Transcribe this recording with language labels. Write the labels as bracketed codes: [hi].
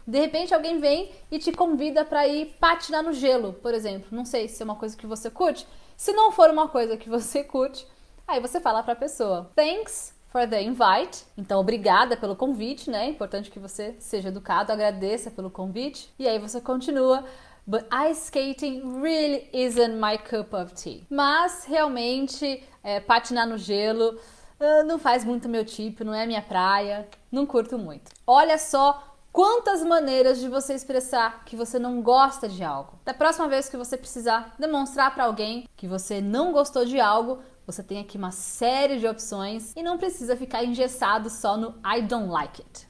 [pt] De repente alguém vem e te convida pra ir patinar no gelo, por exemplo. Não sei se é uma coisa que você curte. Se não for uma coisa que você curte, aí você fala pra pessoa, [en] thanks for the invite. [pt] Então, obrigada pelo convite, né? Importante que você seja educado, agradeça pelo convite. E aí você continua, [en] but ice skating really isn't my cup of tea. [pt] Mas, realmente, patinar no gelo não faz muito meu tipo, não é minha praia, não curto muito. Olha só quantas maneiras de você expressar que você não gosta de algo. Da próxima vez que você precisar demonstrar para alguém que você não gostou de algo, você tem aqui uma série de opções e não precisa ficar engessado só no [en] I don't like it.